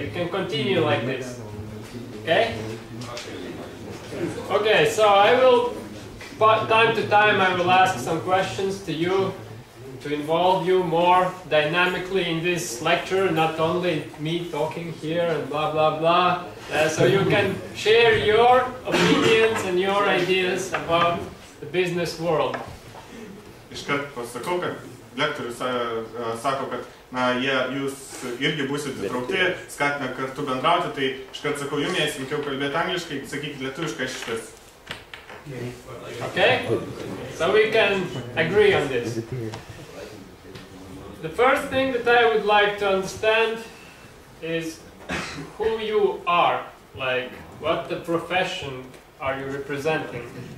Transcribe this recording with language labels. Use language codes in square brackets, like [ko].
[en] We can continue like this. Okay? Okay, so I will, time to time, I will ask some questions to you to involve you more dynamically in this lecture, not only me talking here and blah, blah, blah. So you can share your opinions and your ideas about the business world. [lt] Iškart pasakau, kad lektorius sako, kad na, jie, jūs irgi būsit įtraukti, skatina kartu bendrauti, tai iškart sakau, jums jie sveikiau kalbėti angliškai, sakyti lietuviškai, aš iškart. [en] Okay, so we can agree on this. The first thing that I would like to understand is who you are, like what the profession are you representing?